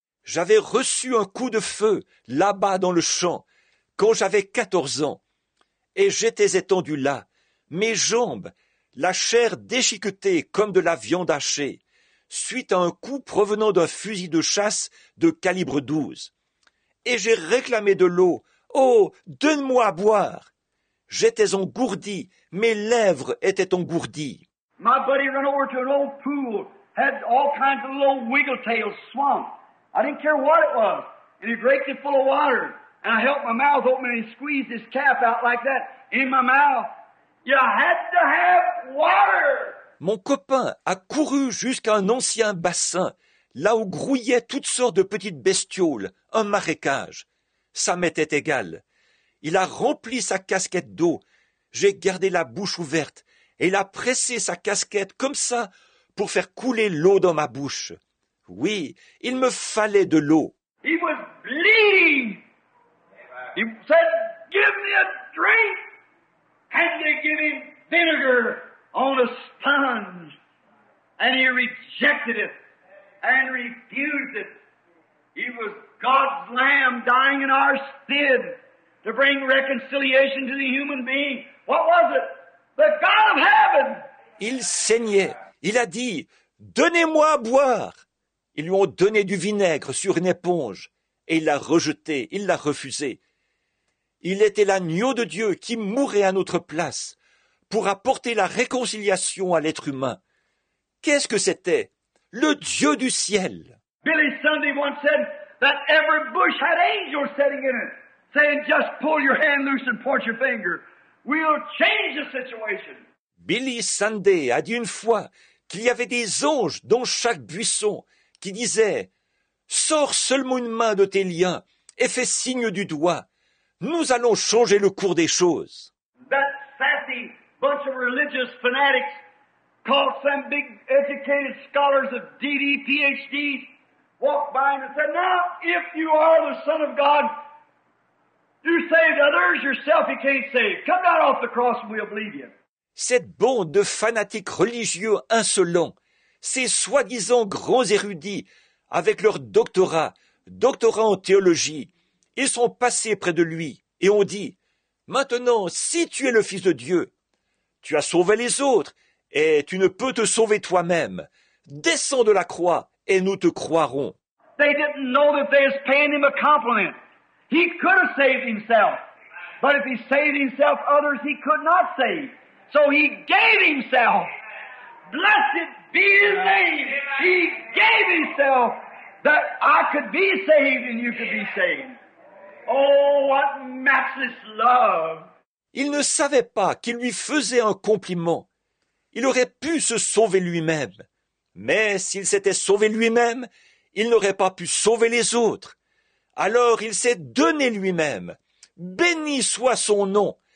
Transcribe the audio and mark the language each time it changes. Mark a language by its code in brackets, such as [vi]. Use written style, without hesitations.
[fr] J'avais reçu un coup de feu là-bas dans le champ quand j'avais 14 ans, et j'étais étendu là, mes jambes, la chair déchiquetée comme de la viande hachée, suite à un coup provenant d'un fusil de chasse de calibre 12. Et j'ai réclamé de l'eau. « Oh, donne-moi à boire !» J'étais engourdi, mes lèvres étaient engourdies. [en] My buddy ran over to an old pool, had all kinds of little wiggletails swamp. I didn't care what it was, and he raked it full of water. And I helped my mouth open, and he squeezed his cap out like that in my mouth. You had to have water. [fr] Mon copain a couru jusqu'à un ancien bassin, là où grouillaient toutes sortes de petites bestioles, un marécage. Ça m'était égal. Il a rempli sa casquette d'eau. J'ai gardé la bouche ouverte et il a pressé sa casquette comme ça pour faire couler l'eau dans ma bouche. Oui, il me fallait de l'eau. [en] He was bleeding. He said, give me a drink. And they give him vinegar on a sponge. And he rejected it and refused it. He was God's lamb dying in our stead to bring reconciliation to the human being. What was it? The God of heaven. [fr] Il saignait. Il a dit, donnez-moi à boire. Ils lui ont donné du vinaigre sur une éponge. Et il l'a rejeté. Il l'a refusé. Il était l'agneau de Dieu qui mourait à notre place pour apporter la réconciliation à l'être humain. Qu'est-ce que c'était? Le Dieu du ciel. [en] Billy Sunday once said that every bush had angels sitting in it, saying, just pull your hand loose and point your finger. We'll change the situation. [fr] Billy Sunday a dit une fois qu'il y avait des anges dans chaque buisson qui disaient, sors seulement une main de tes liens et fais signe du doigt. Nous allons changer le cours des choses. [en] That sassy bunch of religious fanatics called some big educated scholars of DD, PhDs, walked by and said, now, if you are the Son of God, you saved others, yourself you can't save. Come down off the cross and we'll believe you. [fr] Cette bande de fanatiques religieux insolents, ces soi-disant grands érudits, avec leur doctorat en théologie, ils sont passés près de lui et ont dit, « Maintenant, si tu es le Fils de Dieu, tu as sauvé les autres et tu ne peux te sauver toi-même. Descends de la croix et nous te croirons. » [en] They didn't know that they was paying him a compliment. He could have saved himself. But if he saved himself, others he could not save. So he gave himself. Blessed be his name. He gave himself that I could be saved and you could be saved. Oh, what matchless love! [fr] Il ne savait pas qu'il lui faisait un compliment. Il aurait pu se sauver lui-même. Mais s'il s'était sauvé lui-même, il n'aurait pas pu sauver les autres. Alors il s'est donné lui-même. Béni soit son nom.